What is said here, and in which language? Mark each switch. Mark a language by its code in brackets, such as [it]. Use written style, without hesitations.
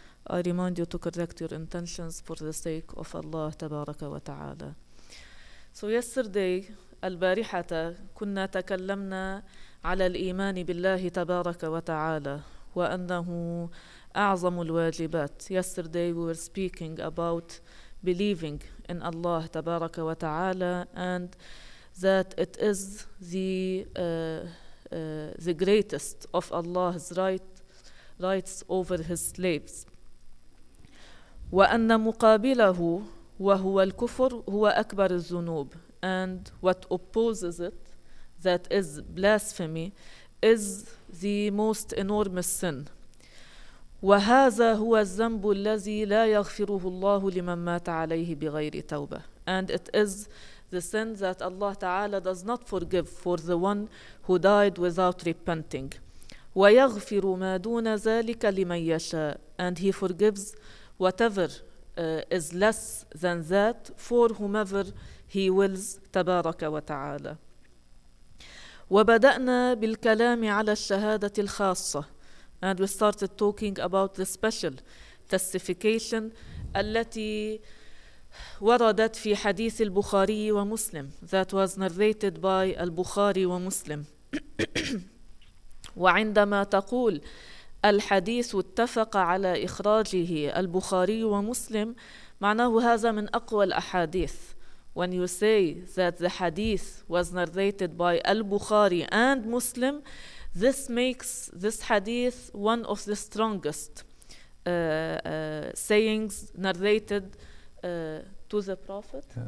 [en] I remind you to correct your intentions for the sake of Allah [ar] تبارك وتعالى. [en] So yesterday, [ar] البارحة كنا تكلمنا على الإيمان بالله تبارك وتعالى وأنه أعظم الواجبات. [en] Yesterday we were speaking about believing in Allah [ar] tabaraka wa ta'ala [en] and that it is the greatest of Allah's rights over his slaves. [ar] Wa anna muqabilahu wa huwa al-kufr huwa akbar al-zunub, [en] and what opposes it, that is blasphemy, is the most enormous sin. [ar] وهذا هو الذنب الذي لا يغفره الله لمن مات عليه بغير توبة. [en] And it is the sin that Allah Ta'ala does not forgive for the one who died without repenting. [ar] ويغفر ما دون ذلك لمن يشاء. [en] And he forgives whatever is less than that for whomever he wills [ar] تبارك وتعالى. وبدأنا بالكلام على الشهادة الخاصة. [en] And we started talking about the special testification [ar] التي وردت في حديث البخاري ومسلم, [en] that was narrated by البخاري ومسلم. [ar] وعندما تقول الحديث اتفق على إخراجه البخاري ومسلم, معناه هذا من أقوى الأحاديث. [en] When you say that the hadith was narrated by البخاري and Muslim, this makes this hadith one of the strongest sayings narrated to the Prophet.